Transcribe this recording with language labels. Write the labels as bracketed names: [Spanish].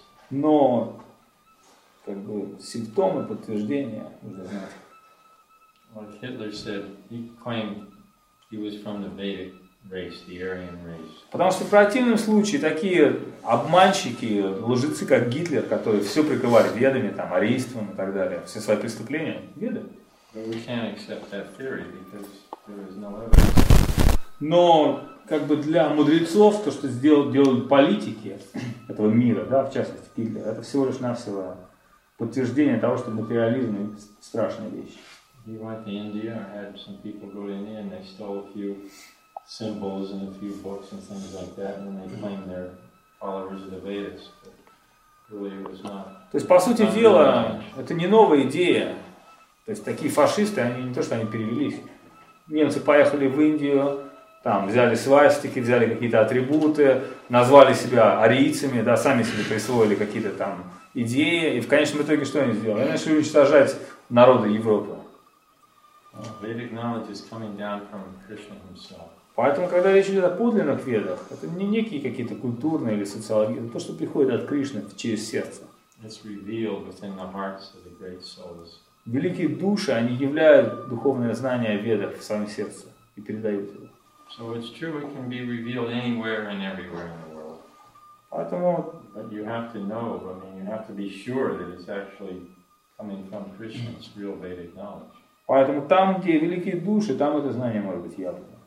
[Russian] Но как бы симптомы, подтверждения нужно знать. [English] Like Hitler said, he claimed he was from the Vedic race, the Aryan race. [Russian] Потому что в противном случае такие обманщики, лжецы, как Гитлер, которые все прикрывали ведами, там, арийством и так далее, все свои преступления, веды. [English] But we can't accept that theory because there is no evidence. [Russian] Но как бы для мудрецов то, что делают политики этого мира, да, в частности Гитлер, это всего лишь навсего подтверждение того, что материализм – страшная вещь. [English] He went to India and had some people go to India and they stole a few symbols and a few books and things like that and they claimed they're followers of the Vedas. But really it was not. [Russian] То есть, по сути дела, это не новая идея. То есть, такие фашисты, они не то, что они перевелись. Немцы поехали в Индию, там взяли свастики, взяли какие-то атрибуты, назвали себя арийцами, да, сами себе присвоили какие-то там идеи. И в конечном итоге что они сделали? Они начали уничтожать народы Европы. [English] Vedic knowledge is coming down from Krishna himself. [Russian] Поэтому, когда речь идет о подлинных ведах, это не некие какие-то культурные или социологии, это то, что приходит от Кришны через сердце. [English] It's revealed within the hearts of the great souls. [Russian] Великие души, они являют духовное знание ведов в своем сердце и передают его. [English] So it's true it can be revealed anywhere and everywhere in the world. [Russian] Поэтому, [English] but you have to know, I mean, you have to be sure that it's actually coming from Krishna's real Vedic knowledge. [Russian] Поэтому там, где великие души, там это знание может быть явлено.